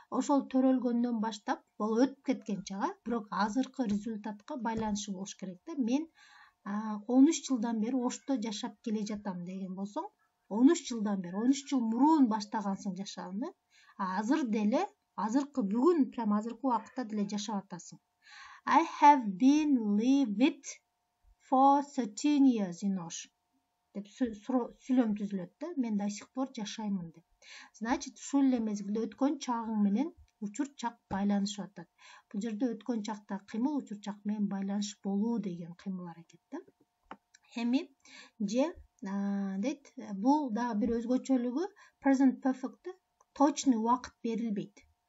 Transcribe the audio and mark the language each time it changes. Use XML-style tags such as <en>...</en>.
<ky>Ошол төрөлгөндөн баштап, бул өтүп кеткен чага, бирок азыркы результатка байланышы болуш керек да. Мен 13 жылдан бери Ошто жашап келе жатам деген болсоң, 13 жылдан бери, 13 жыл мурун баштагансың жашаганды. Азыр деле, азыркы бүгүн, прямо азыркы убакта деле жашап атасың.</ky> <en>I have been lived for 13 years in Osh.</en> <ky>Деп сүйлөм түзүлөт да, мен да айсык бор жашаймын деп. Значит, ушул эле мезгилде өткөн чагың менен учур чак байланышып атат. Бул жерде өткөн чакта кыймыл учур чак менен байланыш болуу деген кыймыл аракет да. Эми же дейт, бул дагы бир өзгөчөлүгү present perfect точный убакыт берилбейт.</ky>